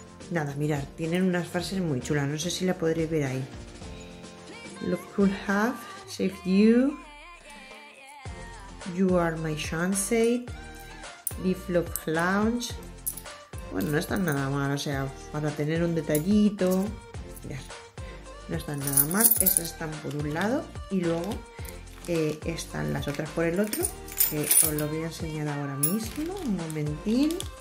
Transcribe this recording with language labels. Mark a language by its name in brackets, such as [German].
[Spanish] Nada, mirad, tienen unas frases muy chulas, no sé si la podré ver ahí. [English] Look who have saved you, you are my chance, live love lounge. [Spanish] Bueno, no están nada mal, o sea, para tener un detallito, mirad, no están nada mal. Estas están por un lado y luego están las otras por el otro, que os lo voy a enseñar ahora mismo, un momentín.